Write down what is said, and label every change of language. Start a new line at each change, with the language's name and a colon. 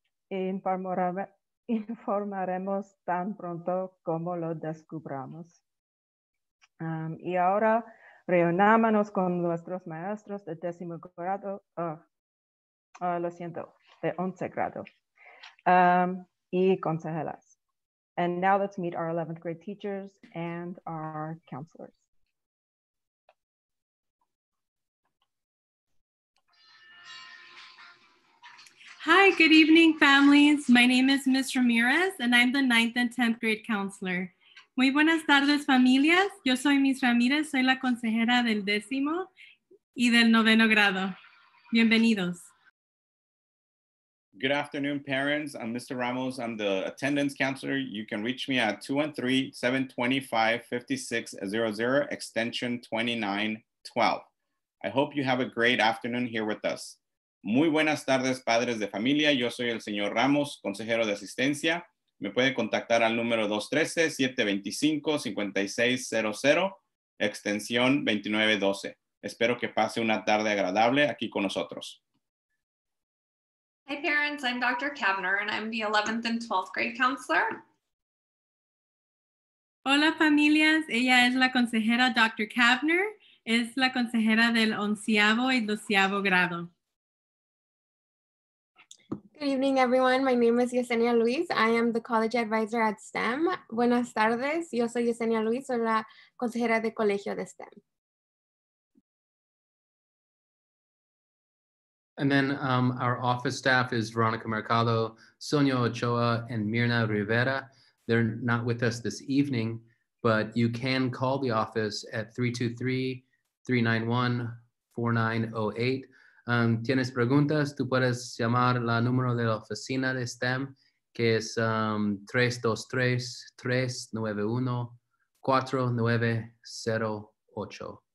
Spanish: Informaremos tan pronto como lo descubramos. Y ahora reunámonos con nuestros maestros de 10º grado, de 11º grado, y consejeras.
English: And now let's meet our 11th grade teachers and our counselors. Hi, good evening, families. My name is Ms. Ramirez, and I'm the 9th and 10th grade counselor.
Spanish: Muy buenas tardes, familias. Yo soy Miss Ramírez, soy la consejera del décimo y del noveno grado. Bienvenidos.
English: Good afternoon, parents. I'm Mr. Ramos. I'm the attendance counselor. You can reach me at 213-725-5600, extension 2912. I hope you have a great afternoon here with us.
Spanish: Muy buenas tardes, padres de familia. Yo soy el señor Ramos, consejero de asistencia. Me puede contactar al número 213-725-5600, extensión 2912. Espero que pase una tarde agradable aquí con nosotros.
English: Hi, parents. I'm Dr. Kavner, and I'm the 11th and 12th grade counselor.
Spanish: Hola, familias. Ella es la consejera Dr. Kavner. Es la consejera del 11º y 12º grado.
English: Good evening, everyone. My name is Yesenia Luis. I am the college advisor at STEM.
Spanish: Buenas tardes. Yo soy Yesenia Luis. Soy la consejera de colegio de STEM.
English: And then our office staff is Veronica Mercado, Sonia Ochoa, and Mirna Rivera. They're not with us this evening, but you can call the office at 323-391-4908.
Spanish: Tienes preguntas, tú puedes llamar la número de la oficina de STEM, que es 323-391-4908.